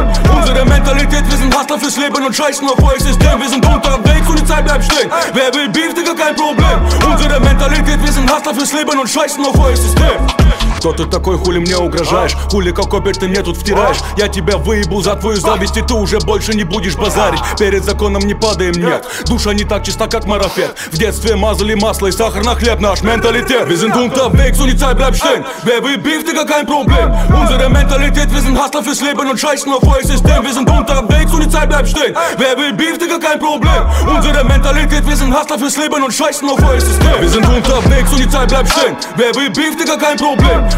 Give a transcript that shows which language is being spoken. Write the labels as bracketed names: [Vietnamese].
[German] Unsere Mentalität, wir sind Hustler fürs Leben und scheißen auf euer System. Wir sind unterwegs und die Zeit bleibt stehen. Wer will Beef, Digga, kein Problem. Unsere Mentalität, wir sind Hustler fürs Leben und scheißen auf euer System. [Russian] Кто ты такой, хули мне угрожаешь? Хули кокопер ты мне тут втираешь? Я тебя выебу за твою зависть, и ты уже больше не будешь базарить. Перед законом не падаем, нет. Душа не так чиста, как марафет. В детстве мазали масло и сахар на хлеб. Наш менталитет. [German] Wir sind unterwegs und die Zeit bleibt stehen. Wer will Beef, Digga, kein Problem. Unsere Mentalität, wir sind Hustler fürs Leben und scheißen auf euer System. Wir sind unterwegs und die Zeit bleibt stehen. Wer will Beef, Digga, kein Problem. Unsere Mentalität, wir sind Hustler fürs Leben und scheißen auf euer System. Wir sind unterwegs und die Zeit bleibt stehen. Wer will Beef, Digga, kein Problem.